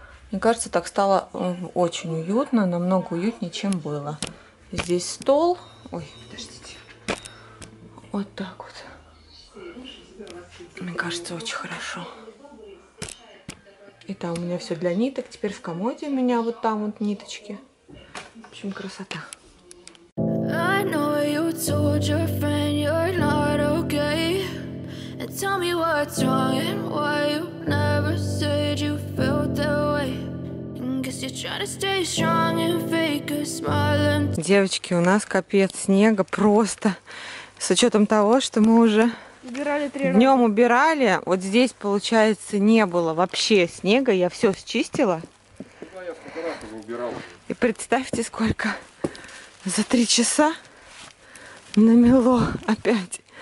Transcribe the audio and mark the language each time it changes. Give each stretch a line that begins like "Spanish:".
Russian: Мне кажется, так стало очень уютно. Намного уютнее, чем было. Здесь стол. Ой, подождите. Вот так вот. Мне кажется, очень хорошо. И там у меня все для ниток. Теперь в комоде у меня вот там вот ниточки. В общем, красота.
English: I know you told your friend you're not okay. And tell me what's wrong and why you never said you felt that way. Guess you're trying to stay strong and fake a smile.
Russian: Девочки, у нас капец снега просто. С учетом того, что мы уже днем убирали, вот здесь, получается, не было вообще снега. Я все счистила. И представьте, сколько за 3 часа намело опять.